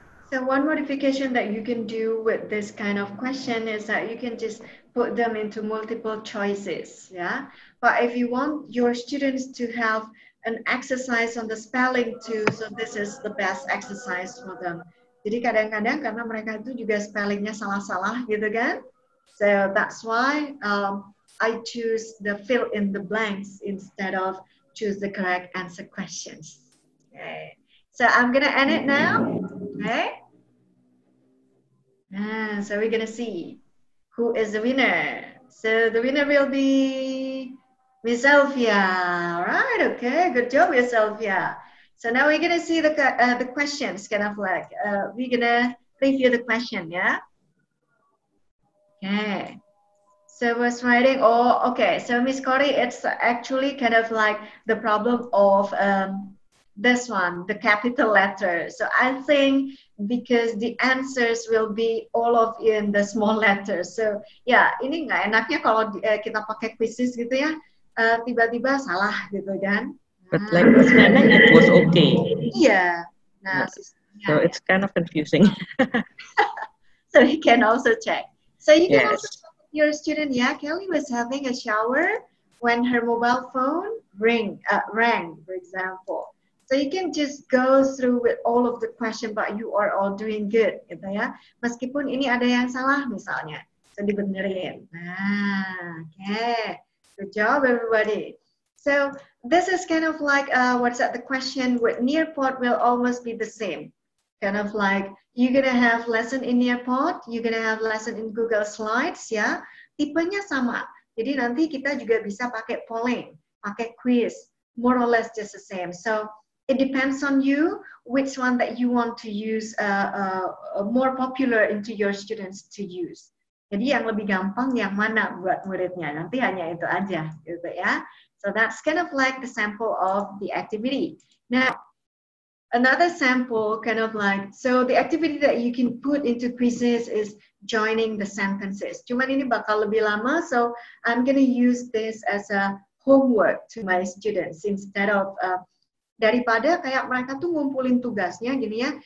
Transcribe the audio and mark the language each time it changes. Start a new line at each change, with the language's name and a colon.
English: So one modification that you can do with this kind of question is that you can just put them into multiple choices, yeah? But if you want your students to have an exercise on the spelling too, so this is the best exercise for them.
Indonesian: Jadi kadang-kadang karena mereka itu juga spellingnya salah-salah gitu kan?
English: So that's why I choose the fill in the blanks instead of choose the correct answer questions. Okay, so I'm gonna end it now, okay? So we're gonna see who is the winner. So the winner will be Miss Elvia. All right, okay, good job, Miss Elvia. So now we're gonna see the questions, kind of like we're gonna review the question, yeah. Okay. So was writing. Oh, okay. So Miss Cory, it's actually kind of like the problem of this one, the capital letter. So I think because the answers will be all of in the small letters.
Indonesian: So yeah, ini nggak enaknya kalau kita pakai quizzes gitu ya, tiba-tiba salah gitu kan?
English: But like this moment, it was okay. Yeah. Nah, so it's kind of confusing. So you can also check. So you can also check with your student. Yeah, Kelly was having a shower when her mobile phone rang, for example. So you can just go through with all of the question, but you are all doing good,
Indonesian: gitu ya. Meskipun ini ada yang salah, misalnya.
English: So
Indonesian: dibenerin.
English: Nah, okay. Good job, everybody. So this is kind of like, what's that, the question with Nearpod will almost be the same. Kind of like, you're gonna have lesson in Nearpod, you're gonna have lesson in Google Slides, ya.
Indonesian: Tipenya sama. Jadi nanti kita juga bisa pakai polling, pakai quiz,
English: more or less just the same. So it depends on you, which one that you want to use, more popular into your students to use.
Indonesian: Jadi yang lebih gampang, yang mana buat muridnya, nanti hanya itu aja, gitu ya.
English: So that's kind of like the sample of the activity. Now, another sample kind of like, so the activity that you can put into quizzes is joining the sentences.
Indonesian: Cuman ini bakal lebih lama,
English: so I'm gonna use this as a homework to my students instead of,
Indonesian: daripada kayak mereka tuh ngumpulin tugasnya gini ya.